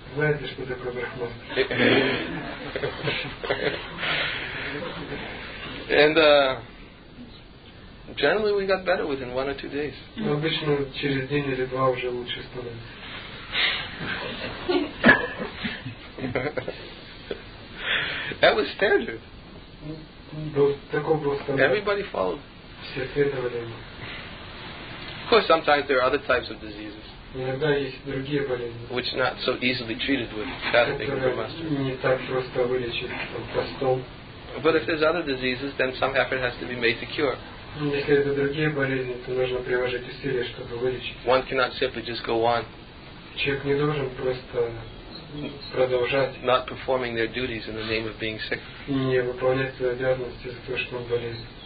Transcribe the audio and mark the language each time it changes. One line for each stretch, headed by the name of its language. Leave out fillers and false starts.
Russian: Знаете, что такое Брахмастра?
English: And generally we got better within one or two days.
Russian: Обычно через день или два уже лучше становится.
English: That was standard.
Russian: Такой был стандарт.
English: Everybody followed.
Russian: Все следовали ему.
English: Of course, sometimes there are other types of diseases.
Russian: Иногда есть другие болезни.
English: Which not so easily treated with fasting or mustard.
Russian: Не так просто вылечить постом.
English: But if there's other diseases, then some effort has to be made to cure.
Russian: Если это другие болезни, то нужно приложить усилия, чтобы вылечить.
English: One cannot simply just go on.
Russian: Человек не должен просто продолжать.
English: Not performing their duties in the name of being sick. Не выполнять свои обязанности за то, что он болен.